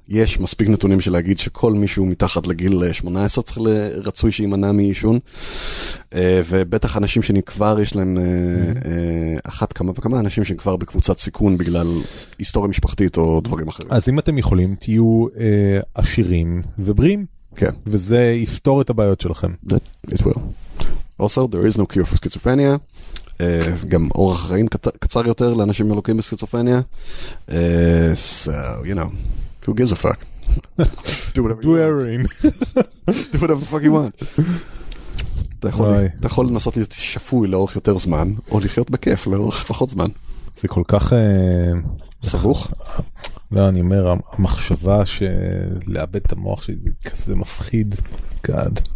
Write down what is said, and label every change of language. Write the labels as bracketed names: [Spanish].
[Hebrew] יש מספיק נתונים של להגיד שכל מישהו מתחת לגיל 18 צריך לרצוי שימנע מיישון. ובטח אנשים שאני כבר, יש להם אחת כמה וכמה אנשים שהם כבר בקבוצת סיכון בגלל היסטוריה משפחתית או דברים אחרים. אז אם אתם יכולים, תהיו עשירים ובריאים. כן. וזה יפתור את הבעיות שלכם. [English] It will. Also, there is no cure for schizophrenia. [Hebrew] גם אורח חיים קצר יותר לאנשים מלוקים בסכיזופרניה. [English] So, you know, who gives a fuck? Do whatever you want. Do whatever the fuck you want. [Hebrew] אתה יכול לנסות להיות שפוי לאורך יותר זמן, או לחיות בכיף לאורך פחות זמן. זה כל כך... סבוך? לא, אני אומר, המחשבה שלאבד את המוח שזה כזה מפחיד, גד.